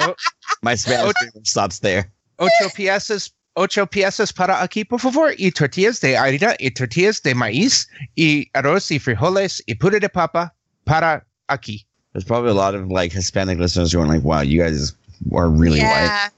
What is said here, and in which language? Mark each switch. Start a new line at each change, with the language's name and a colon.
English: Yeah, my Spanish stops there.
Spanish: Ocho piezas para aquí, por favor. Y tortillas de harina, y tortillas de maíz, y arroz y frijoles, y puré de papa para aquí.
English: There's probably a lot of like Hispanic listeners who are like, "Wow, you guys are really white."